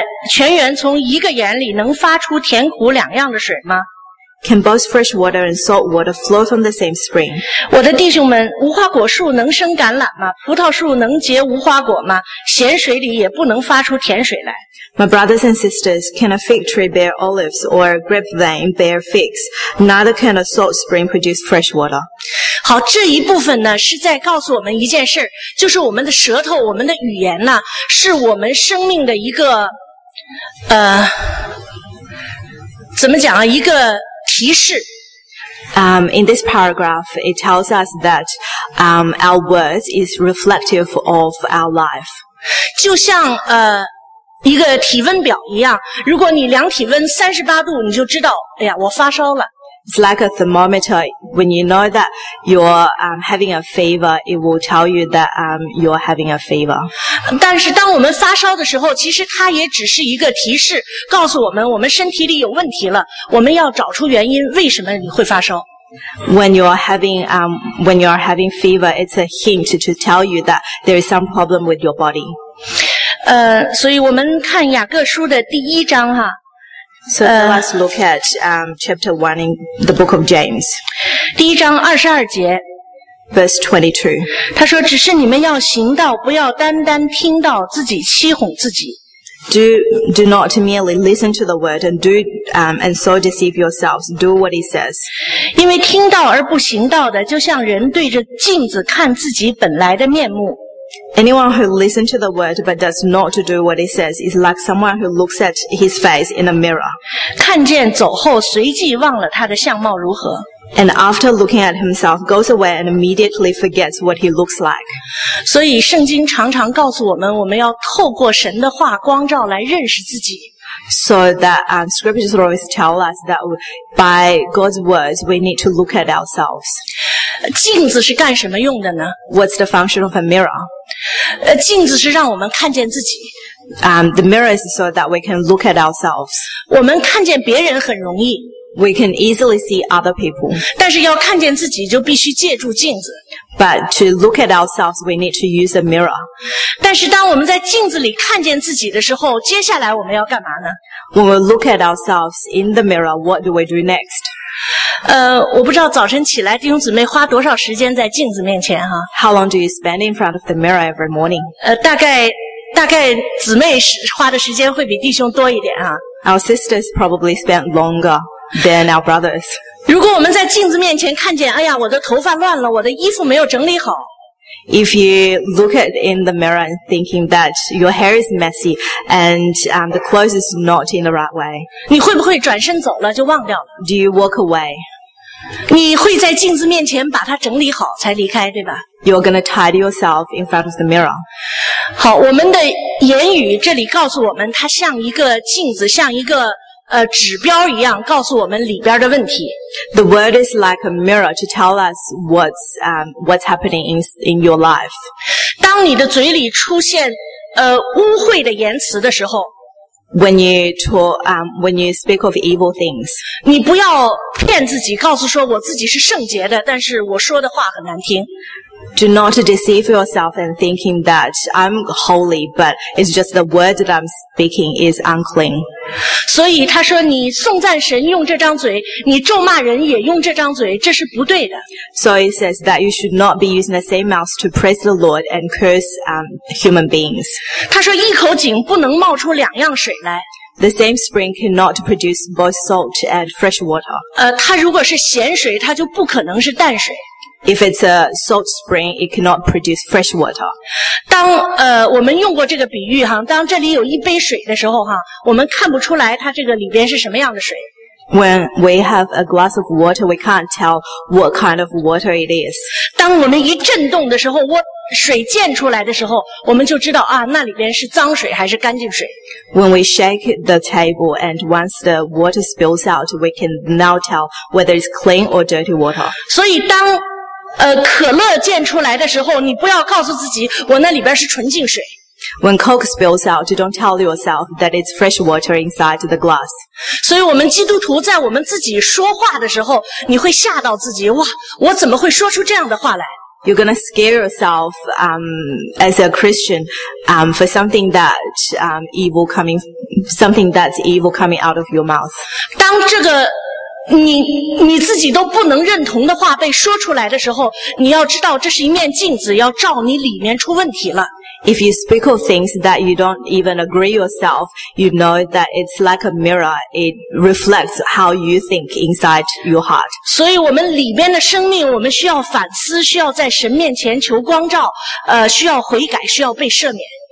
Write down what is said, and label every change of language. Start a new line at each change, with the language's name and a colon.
Chinese: 泉源从一个眼里能发出甜苦两样的水吗？
English: Can both fresh water and salt water flow from the same spring?
Chinese: 我的弟兄们，无花果树能生橄榄吗？葡萄树能结无花果吗？咸水里也不能发出甜水来。
English: My brothers and sisters, can a fig tree bear olives or a grapevine bear figs? Neither can a salt spring produce fresh water.
Chinese: 好，这一部分呢是在告诉我们一件事，就是我们的舌头，我们的语言呢，是我们生命的一个怎么讲啊，一个提示。
English: In this paragraph, it tells us that our words is reflective of our life.
Chinese: 就像一个体温表一样，如果你量体温38度，你就知道，哎呀，我发烧了。
English: It's like a thermometer. When you know that you're having a fever, it will tell you that you're having a fever.
Chinese: 但是当我们发烧的时候，其实它也只是一个提示，告诉我们我们身体里有问题了，我们要找出原因，为什么你会发烧。
English: When you're having fever, it's a hint to tell you that there is some problem with your body.
Chinese: 所以我们看雅各书的第一章哈。
English: So let's look at chapter 1 in the book of James.
Chinese: 第一章22节。
English: Verse 22.
Chinese: 他说只是你们要行道，不要单单听到，自己欺哄自己。
English: Do not merely listen to the word and so deceive yourselves. Do what he says.
Chinese: 因为听到而不行道的，就像人对着镜子看自己本来的面目。
English: Anyone who listens to the word but does not do what it says is like someone who looks at his face in a mirror.
Chinese: 看见走后随即忘了他的相貌如何。
English: And after looking at himself, goes away and immediately forgets what he looks like.
Chinese: 所以圣经常常告诉我们，我们要透过神的话光照来认识自己。
English: So that scriptures always tell us that by God's words, we need to look at ourselves.
Chinese: 镜子是干什么用的呢？
English: What's the function of a mirror?
Chinese: 镜子是让我们看见自己。
English: The mirror is so that we can look at ourselves.
Chinese: 我们看见别人很容易。
English: We can easily see other people.
Chinese: 但是要看见自己就必须借助镜子。
English: But to look at ourselves, we need to use a mirror.
Chinese: 但是当我们在镜子里看见自己的时候，接下来我们要干嘛呢？
English: When we look at ourselves in the mirror, what do we do next?
Chinese: 我不知道早晨起来弟兄姊妹花多少时间在镜子面前哈。
English: How long do you spend in front of the mirror every morning?
Chinese: 大概姊妹花的时间会比弟兄多一点哈。
English: Our sisters probably spend longer than our brothers.
Chinese: 如果我们在镜子面前看见，哎呀，我的头发乱了，我的衣服没有整理好。
English: If you look at in the mirror and thinking that your hair is messy and the clothes is not in the right way,
Chinese: 你会不会转身走了就忘掉了？
English: Do you walk away?
Chinese: 你会在镜子面前把它整理好才离开，对吧？
English: You're gonna tidy yourself in front of the mirror.
Chinese: 好，我们的言语这里告诉我们，它像一个镜子，像一个指标一样告诉我们里边的问题。
English: The word is like a mirror to tell us what's happening in your life.
Chinese: 当你的嘴里出现污秽的言辞的时候，
English: When you speak of evil things,
Chinese: 你不要骗自己，告诉说我自己是圣洁的，但是我说的话很难听。
English: Do not deceive yourself in thinking that I'm holy, but it's just the word that I'm speaking is unclean.
Chinese: 所以他说你颂赞神用这张嘴，你咒骂人也用这张嘴，这是不对的。
English: So he says that you should not be using the same mouth to praise the Lord and curse human beings.
Chinese: 他说一口井不能冒出两样水来。
English: The same spring cannot produce both salt and fresh water.
Chinese: 它如果是咸水，它就不可能是淡水。
English: If it's a salt spring, it cannot produce fresh water.
Chinese: 当我们用过这个比喻哈，当这里有一杯水的时候哈，我们看不出来它这个里边是什么样的水。
English: When we have a glass of water, we can't tell what kind of water it is.
Chinese: 当我们一震动的时候，水溅出来的时候，我们就知道啊，那里边是脏水还是干净水。
English: When we shake the table and once the water spills out, we can now tell whether it's clean or dirty water.
Chinese: 所以当可乐溅出来的时候，你不要告诉自己我那里边是纯净水。
English: When Coke spills out, don't tell yourself that it's fresh water inside the glass.
Chinese: 所以我们基督徒在我们自己说话的时候，你会吓到自己，哇，我怎么会说出这样的话来？
English: You're gonna scare yourself as a Christian for something that something that's evil coming out of your mouth.
Chinese: 当这个你自己都不能认同的话被说出来的时候，你要知道这是一面镜子，要照你里面出问题了。
English: If you speak of things that you don't even agree yourself, you know that it's like a mirror. It reflects how you think inside your heart.
Chinese: 所以我们里边的生命，我们需要反思，需要在神面前求光照，需要悔改，需要被赦免。